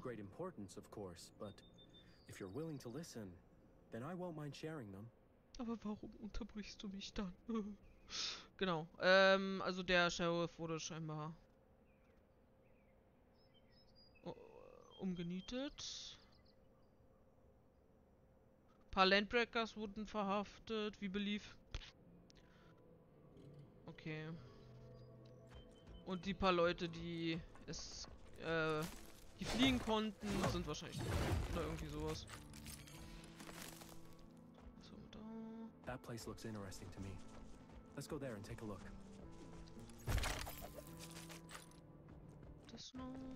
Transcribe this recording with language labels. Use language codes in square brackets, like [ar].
[en] Great importance, of course, but if you're willing to listen, then I won't mind sharing them. [de] Aber warum unterbrichst du mich dann? Genau. Also der Sheriff wurde scheinbar umgenietet. Ein paar Landbreakers wurden verhaftet, wie beliebt. Okay. Und die paar Leute, die es die fliehen konnten, sind wahrscheinlich da irgendwie sowas. So, da. [en] That place looks interesting to me. Let's go there and take a look. [de] Das noch.